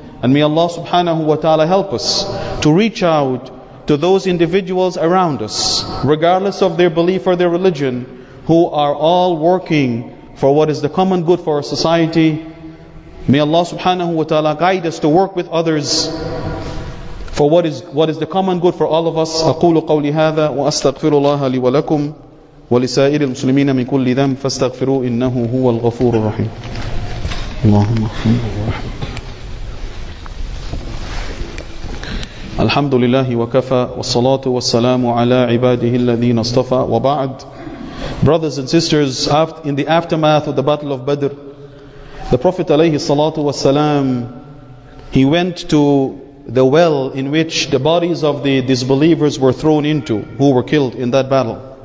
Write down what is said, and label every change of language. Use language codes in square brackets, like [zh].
[en] And may Allah subhanahu wa ta'ala help us to reach out to those individuals around us, regardless of their belief or their religion, who are all working for what is the common good for our society. May Allah subhanahu wa ta'ala guide us to work with others for what is the common good for all of us. [ar] أقول قولي هذا وأستغفر الله لي ولكم ولسائر المسلمين من كل ذنب فاستغفروا إنه هو الغفور الرحيم. اللهم الحمد لله وكفى والصلاة والسلام على عباده الذين اصطفى وبعد. [en] Brothers and sisters, in the aftermath of the Battle of Badr, the Prophet alayhi salatu wasalam, he went to the well in which the bodies of the disbelievers were thrown into, who were killed in that battle.